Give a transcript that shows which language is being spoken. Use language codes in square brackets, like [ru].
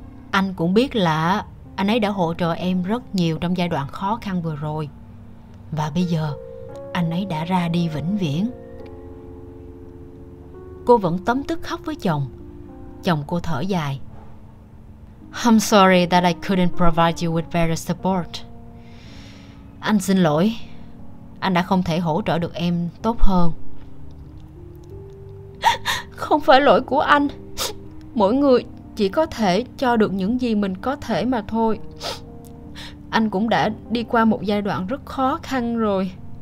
[vi] Anh cũng biết là anh ấy đã hỗ trợ em rất nhiều trong giai đoạn khó khăn vừa rồi, và bây giờ anh ấy đã ra đi vĩnh viễn. Cô vẫn tấm tức khóc với chồng. Chồng cô thở dài. [en] I'm sorry that I couldn't provide you with better support. [vi] Anh xin lỗi, anh đã không thể hỗ trợ được em tốt hơn. Không phải lỗi của anh. Mỗi người chỉ có thể cho được những gì mình có thể mà thôi. Anh cũng đã đi qua một giai đoạn rất khó khăn rồi.